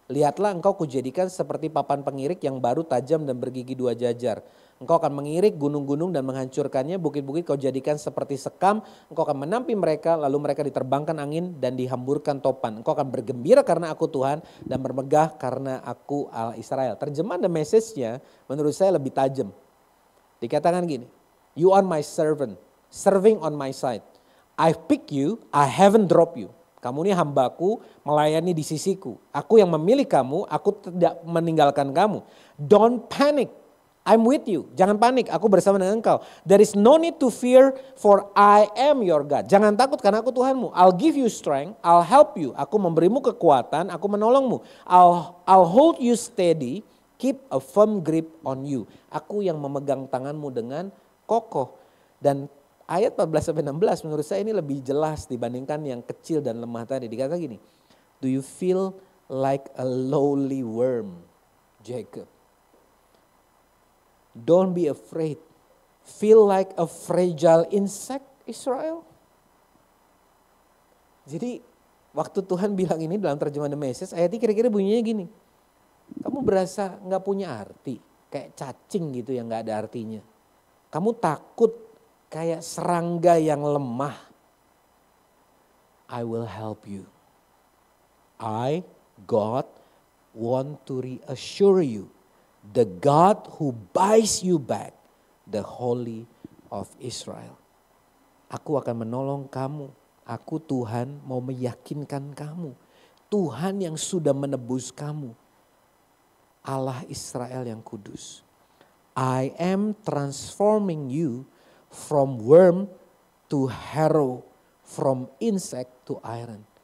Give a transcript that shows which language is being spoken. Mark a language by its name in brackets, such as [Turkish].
[Indonesian] Lihatlah engkau kujadikan seperti papan pengirik yang baru, tajam dan bergigi dua jajar. Engkau akan mengirik gunung-gunung dan menghancurkannya, bukit-bukit kau jadikan seperti sekam. Engkau akan menampi mereka, lalu mereka diterbangkan angin dan dihamburkan topan. Engkau akan bergembira karena aku Tuhan dan bermegah karena aku Allah Israel. Terjemahan The Message-nya menurut saya lebih tajam. [English] Dikatakan gini, you are my servant, serving on my side. I pick you, I haven't dropped you. Kamu ini hambaku, melayani di sisiku. [Indonesian] Aku yang memilih kamu, aku tidak meninggalkan kamu. Don't panic, I'm with you. Jangan panik, aku bersama dengan engkau. [English] There is no need to fear, for I am your God. [Indonesian] Jangan takut karena aku Tuhanmu. I'll give you strength, I'll help you. Aku memberimu kekuatan, aku menolongmu. [English] I'll hold you steady, keep a firm grip on you. [Indonesian] Aku yang memegang tanganmu dengan kokoh. Dan ayat 14-16 menurut saya ini lebih jelas dibandingkan yang kecil dan lemah tadi. [English] Dikata gini, do you feel like a lowly worm, Jacob? Don't be afraid. Feel like a fragile insect, Israel? [Indonesian] Jadi waktu Tuhan bilang ini dalam terjemahan The Message, ayatnya kira-kira bunyinya gini. Kamu berasa gak punya arti, kayak cacing gitu yang gak ada artinya. Kamu takut kayak serangga yang lemah. [English] I will help you. I, God, want to reassure you. The God who buys you back, the Holy of Israel. [Indonesian] Aku akan menolong kamu. Aku Tuhan mau meyakinkan kamu. Tuhan yang sudah menebus kamu. [English] Allah Israel yang kudus. I am transforming you from worm to harrow, from insect to iron.